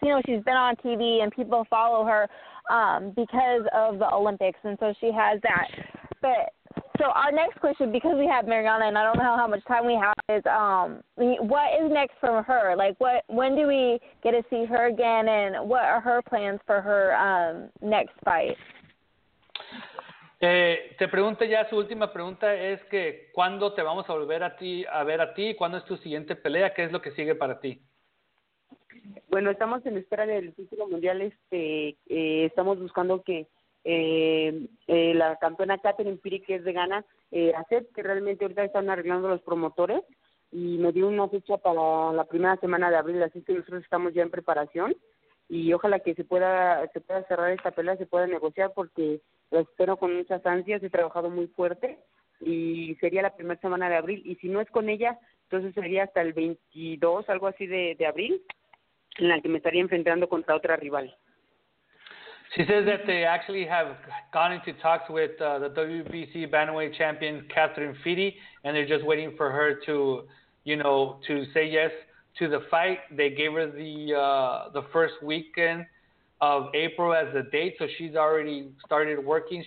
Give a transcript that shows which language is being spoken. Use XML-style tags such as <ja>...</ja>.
<en>You know, she's been on TV and people follow her because of the Olympics, and so she has that. But so our next question, because we have Mariana and I don't know how much time we have, is what is next for her? Like, when do we get to see her again, and what are her plans for her next fight?</en> <es>Te pregunto ya, su última pregunta es que ¿cuándo te vamos a volver a ver a ti? ¿Cuándo es tu siguiente pelea? ¿Qué es lo que sigue para ti? Bueno, estamos en espera del título mundial. Estamos buscando que la campeona Catherine Piri, que es de Ghana, acepte. Realmente ahorita están arreglando los promotores y me dio una fecha para la primera semana de abril, así que nosotros estamos ya en preparación y ojalá que se pueda cerrar esta pelea, se pueda negociar, porque lo espero con muchas ansias, he trabajado muy fuerte y sería la primera semana de abril. Y si no es con ella, entonces sería hasta el 22, algo así de abril, en la que me estaría enfrentando contra otra rival.</es> <en>She says that they actually have gone into talks with the WBC Bantamweight champion Catherine Fitty, and they're just waiting for her to, you know, to say yes to the fight. They gave her the first weekend of April as a date, so she's already started working.</en>